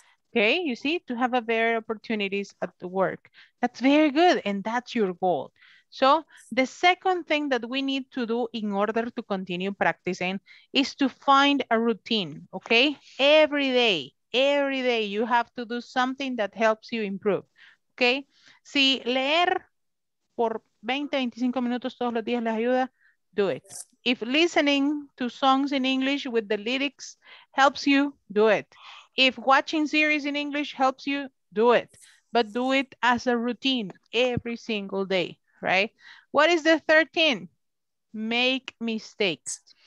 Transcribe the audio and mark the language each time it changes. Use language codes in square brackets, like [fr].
[en] Okay, you see, to have a better opportunities at the work. That's very good, and that's your goal. So the second thing that we need to do in order to continue practicing is to find a routine, okay? Every day you have to do something that helps you improve, okay? [es] Si leer por 20, 25 minutos todos los días les ayuda, do it. [en] If listening to songs in English with the lyrics helps you, do it. If watching series in English helps you, do it. But do it as a routine every single day, right? What is the 13? Make mistakes.